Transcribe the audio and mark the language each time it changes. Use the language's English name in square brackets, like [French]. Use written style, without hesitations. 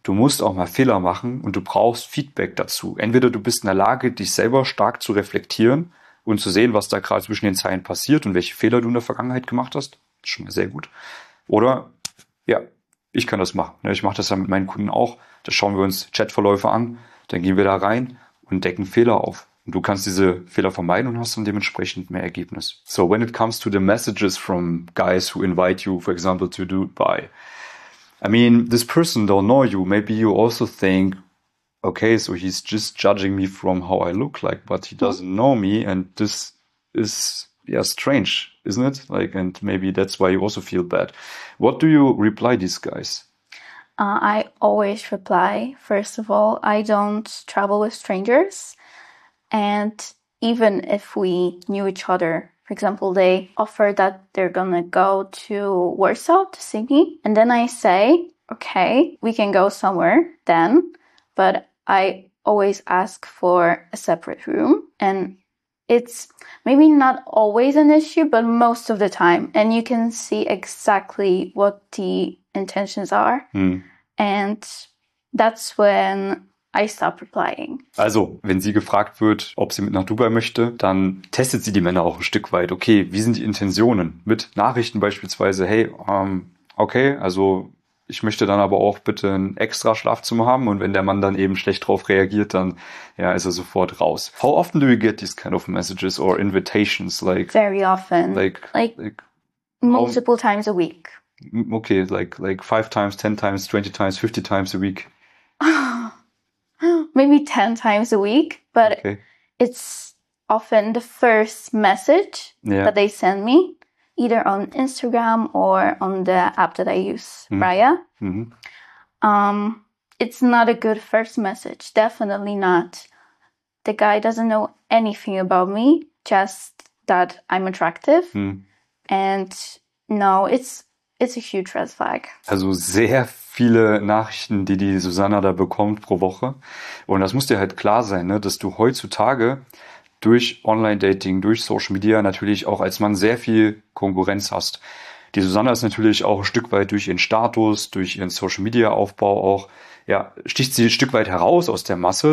[German] Du musst auch mal Fehler machen und du brauchst Feedback dazu. Entweder du bist in der Lage, dich selber stark zu reflektieren und zu sehen, was da gerade zwischen den Zeilen passiert und welche Fehler du in der Vergangenheit gemacht hast. Das ist schon mal sehr gut. Oder, ja, ich kann das machen. Ich mache das dann mit meinen Kunden auch. Da schauen wir uns Chatverläufe an. Dann gehen wir da rein und decken Fehler auf. Und du kannst diese Fehler vermeiden und hast dann dementsprechend mehr Ergebnis. [English] So, when it comes to the messages from guys who invite you, for example, to Dubai. I mean, this person don't know you. Maybe you also think, okay, so he's just judging me from how I look like, but he doesn't know me. And this is, yeah, strange, isn't it? Like, and maybe that's why you also feel bad. What do you reply these guys? I always reply, first of all, I don't travel with strangers. And even if we knew each other, for example, they offer that they're going to go to Warsaw, to Sydney. And then I say, okay, we can go somewhere then. But I always ask for a separate room. And it's maybe not always an issue, but most of the time. And you can see exactly what the intentions are. Mm. And that's when I stop replying. [German] Also, wenn sie gefragt wird, ob sie mit nach Dubai möchte, dann testet sie die Männer auch ein Stück weit. Okay, wie sind die Intentionen? Mit Nachrichten beispielsweise, hey, okay, also ich möchte dann aber auch bitte ein extra Schlafzimmer haben. Und wenn der Mann dann eben schlecht drauf reagiert, dann ja, ist er sofort raus. [English] How often do you get these kind of messages or invitations? Like very often. Like multiple times a week. Okay, like 5 times, 10 times, 20 times, 50 times a week. Maybe 10 times a week, but okay. It's often the first message that they send me, either on Instagram or on the app that I use, Raya. Mm-hmm. It's not a good first message, definitely not. The guy doesn't know anything about me, just that I'm attractive. Mm. And no, it's a huge red flag. [German] Also sehr viele Nachrichten, die Susanna da bekommt pro Woche. Und das muss dir halt klar sein, ne, dass du heutzutage durch Online-Dating, durch Social Media natürlich auch als Mann sehr viel Konkurrenz hast. Die Susanna ist natürlich auch ein Stück weit durch ihren Status, durch ihren Social-Media-Aufbau auch, ja, sticht sie ein Stück weit heraus aus der Masse.